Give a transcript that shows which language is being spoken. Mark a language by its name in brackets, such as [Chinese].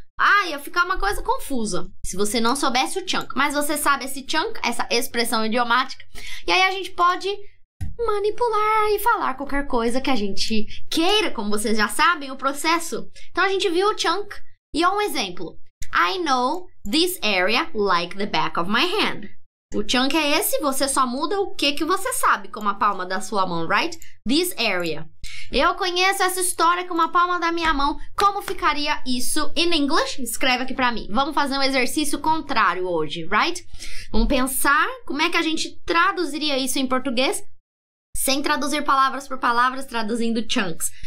[Portuguese] Ah, ia ficar uma coisa confusa se você não soubesse o chunk. Mas você sabe esse chunk, essa expressão idiomática. E aí a gente pode manipular e falar qualquer coisa que a gente queira, como vocês já sabem, o processo. Então a gente viu o chunk e é um exemplo. [English] I know this area like the back of my hand. [Portuguese] O chunk é esse, você só muda o que você sabe como a palma da sua mão, [English] right? This area. [Portuguese] Eu conheço essa história com a palma da minha mão. Como ficaria isso [English] in English? [Portuguese] Escreve aqui pra mim. Vamos fazer um exercício contrário hoje, [English] right? [Portuguese] Vamos pensar como é que a gente traduziria isso em português sem traduzir palavras por palavras, traduzindo chunks.